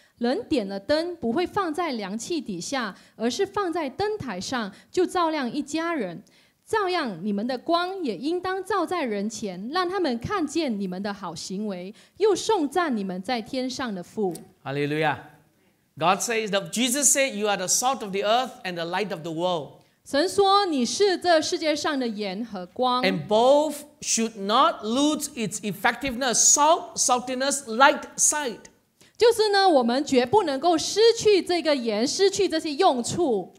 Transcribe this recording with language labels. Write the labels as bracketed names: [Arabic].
[Chinese] 人点了灯，不会放在凉气底下，而是放在灯台上，就照亮一家人。照样，你们的光也应当照在人前，让他们看见你们的好行为，又颂赞你们在天上的父。哈利路亚。 [English] God says that Jesus said, "You are the salt of the earth and the light of the world." [Chinese] 神说你是这世界上的盐和光。 [English] And both should not lose its effectiveness. Salt, saltiness, light, sight. [Chinese] 就是呢，我们绝不能够失去这个盐，失去这些用处。